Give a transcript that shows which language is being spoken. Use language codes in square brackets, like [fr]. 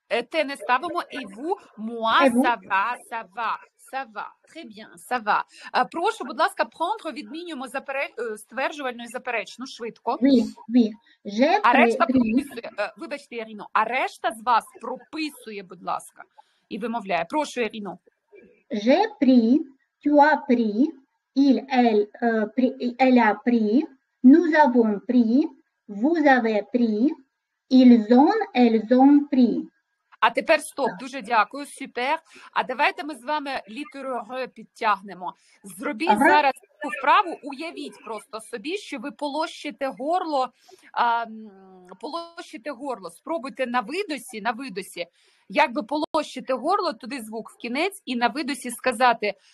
[uk] Те не ставимо. [fr] Et vous? Moi, ça va, ça va. Ça va. Très bien, ça va. [uk] Прошу, будь ласка, prendre відмінюємо стверджувальну і заперечну, швидко. [fr] Oui, oui. Je [uk] а решта прописує. Вибачте, Ірино, а решта з вас прописує, будь ласка, і вимовляє. Прошу, Ірино. [fr] Je pris, tu as pris, il, elle, elle a pris, nous avons pris, vous avez pris, ils ont, elles ont pris. [uk] А тепер стоп, дуже дякую, супер. А давайте ми з вами літеру Г підтягнемо. Зробіть ага. Зараз цю вправу, уявіть просто собі, що ви полощите горло, спробуйте на видосі, якби полощити горло, туди звук в кінець, і на видосі сказати